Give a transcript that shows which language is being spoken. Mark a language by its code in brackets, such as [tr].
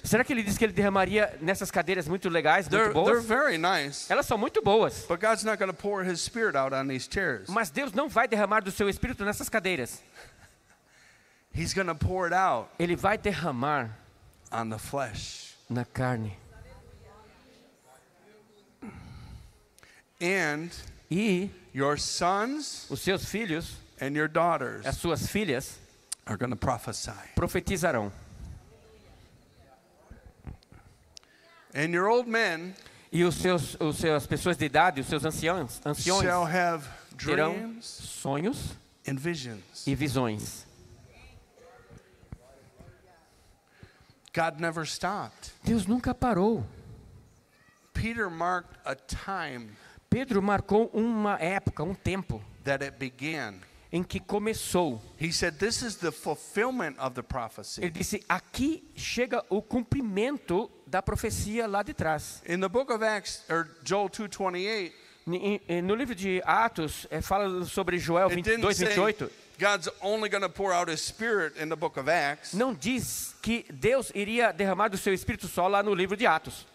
[pt] Será que ele disse que ele derramaria nessas cadeiras muito legais, muito [en] they're, [pt] boas? [en] They're very nice. [pt] Elas são muito boas. [en] But God's not going to pour his spirit out on these chairs. [pt] Mas Deus não vai derramar do seu espírito nessas cadeiras. [en] He's going to pour it out. [pt] Ele vai derramar [en] on the flesh. [pt] Na carne. [en] And [pt] e [en] your sons, [pt] os seus filhos, [en] and your daughters, [pt] as suas filhas, [en] are going to prophesy, [pt] profetizarão. [en] And your old men, [pt] e os seus pessoas de idade, os seus anciões, [en] shall have dreams, [pt] sonhos, [en] and visions, [pt] e visões. [en] God never stopped. [pt] Deus nunca parou. [en] Peter marked a time. [pt] Pedro marcou uma época, um tempo [en] that it began. [pt] Em que começou. [en] He said, this is the fulfillment of the prophecy. [pt] Ele disse, aqui chega o cumprimento da profecia lá de trás. [en] In the book of Acts, or Joel 2:28, [pt] no livro de Atos, fala sobre Joel 2:28. [en] God's only going to pour out his spirit in the book of Acts. [pt] Não diz que Deus iria derramar do seu espírito só lá no livro de Atos.